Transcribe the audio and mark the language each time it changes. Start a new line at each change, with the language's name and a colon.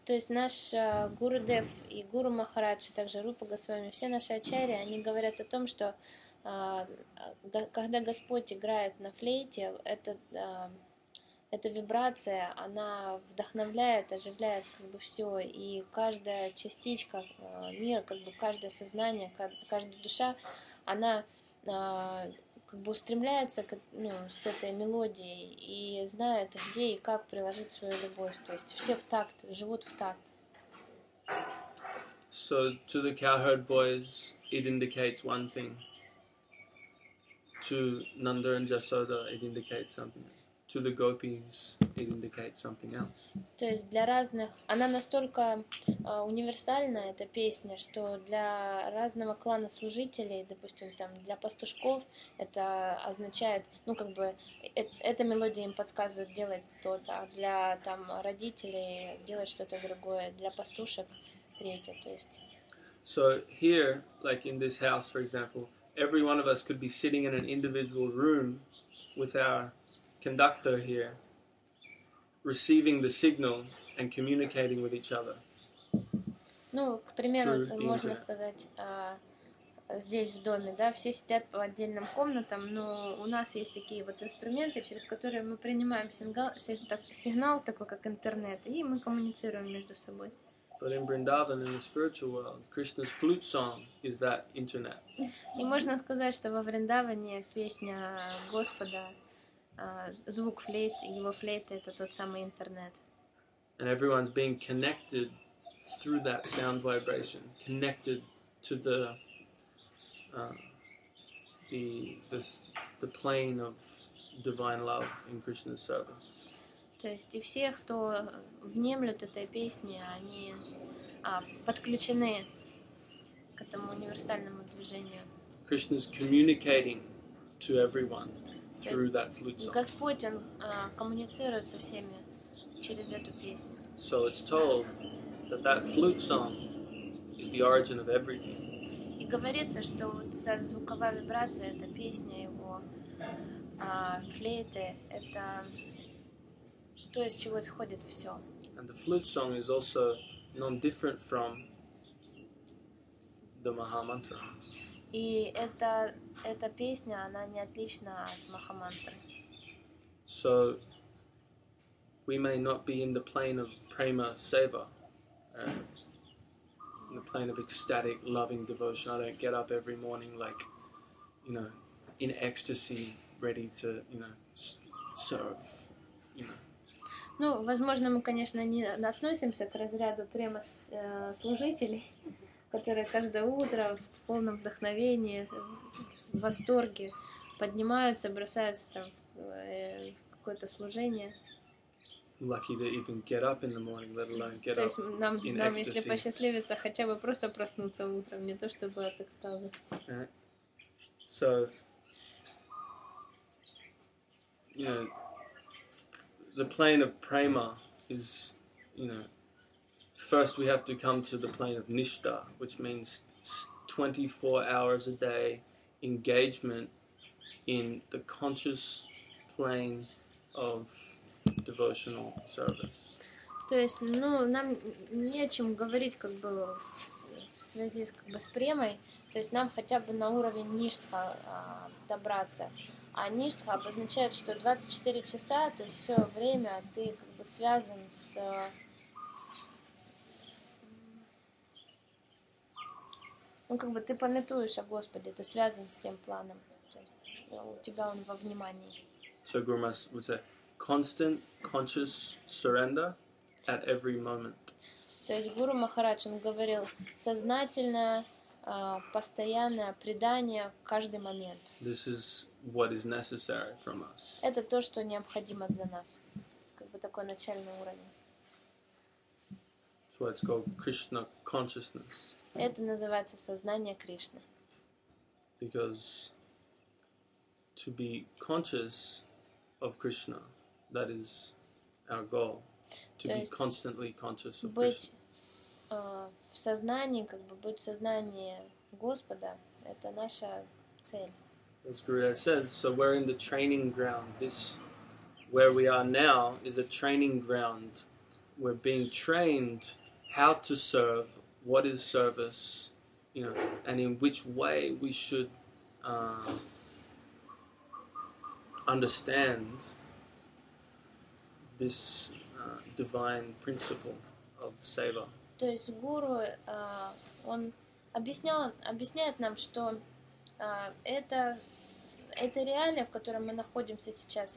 Russian: То есть наш Гуру Дев и Гуру Махарадж, и также Рупа Госвами, все наши ачарьи, они говорят о том, что когда Господь играет на флейте, эта вибрация, она вдохновляет, оживляет как бы все, и каждая частичка мира, как бы каждое сознание, каждая душа, она как бы устремляется к, ну, с этой мелодией и знает, где и как приложить свою любовь. То есть все в такт, живут в такт.
English: So to the cowherd boys, it indicates one thing. To Nanda and Jasoda, it indicates something. To the gopis, it indicates something else.
Russian: То есть для разных... Она настолько универсальна, эта песня, что для разного клана служителей, допустим, там, для пастушков, это означает, ну, как бы, эта мелодия им подсказывает делать то-то, для, там, родителей делать что-то другое, для пастушек третье, то есть...
English: So here, like in this house, for example, every one of us could be sitting in an individual room with our conductor here, receiving the signal and communicating with each other.
Russian: Ну, к примеру, можно сказать, здесь в доме, да, все сидят по отдельным комнатам, но у нас есть такие вот инструменты, через которые мы принимаем сигнал такой, как интернет, и мы коммуницируем между собой.
English: But in Vrindavan, in the spiritual world, Krishna's flute song is that internet.
Russian: И можно сказать, что во Вриндаване песня Господа. Звук флейты, его флейты — это тот самый интернет.
English: And everyone's being connected through that sound vibration, connected to the plane of divine love in Krishna's service.
Russian: То есть и все, кто внемлют этой песне, они подключены к этому универсальному движению.
English: Krishna's communicating to everyone through that flute song.
Russian: Господь, он коммуницирует со всеми через эту песню.
English: So it's told that that flute song is the origin of everything.
Russian: И говорится, что вот эта звуковая вибрация, эта песня его, флейты, это то, из чего исходит всё.
English: And the flute song is also non-different from the Mahamantra.
Russian: И эта песня, она не отлична от Махамантры.
English: So, we may not be in the plane of prema seva, in the plane of ecstatic loving devotion. I don't get up every morning like, you know, in ecstasy, ready to, you know, serve.
Russian: Ну, возможно, мы, конечно, не относимся к разряду према-служителей, которые каждое утро в полном вдохновении, в восторге поднимаются, бросаются там в какое-то служение.
English: Lucky to even get up in the morning, let alone get up in ecstasy.
Russian: То есть нам, если посчастливится, хотя бы просто проснуться утром, не то чтобы от экстаза.
English: So, yeah. The plane of prema is, you know, first we have to come to the plane of nishta, which means 24 hours a day engagement in the conscious plane of devotional service.
Russian: То есть, ну, нам не о чем говорить как бы в связи с как бы с премой, то есть нам хотя бы на уровень ништха добраться. А ништха обозначает, что 24 часа, то есть все время ты как бы связан с ну как бы ты памятуешь о Господе, ты связан с тем планом, то есть у тебя он во внимании.
English: So Guru Maharaj would say constant conscious surrender at every moment.
Russian: То есть Гуру Махарадж он говорил сознательное постоянное предание в каждый момент.
English: This is what is necessary from us.
Russian: Это то, что необходимо для нас. Как бы такой начальный уровень.
English: So it's called Krishna consciousness.
Russian: Это называется сознание Кришны.
English: Because to be conscious of Krishna, that is our goal. To be constantly conscious of Krishna.
Russian: В сознании, как бы быть в сознании Господа, это наша цель.
English: As Gurudev says, so we're in the training ground. This, where we are now, is a training ground. We're being trained how to serve, what is service, you know, and in which way we should understand this divine principle of seva.
Russian: То есть Гуру, он объясняет нам, что это реалия, в которой мы находимся сейчас.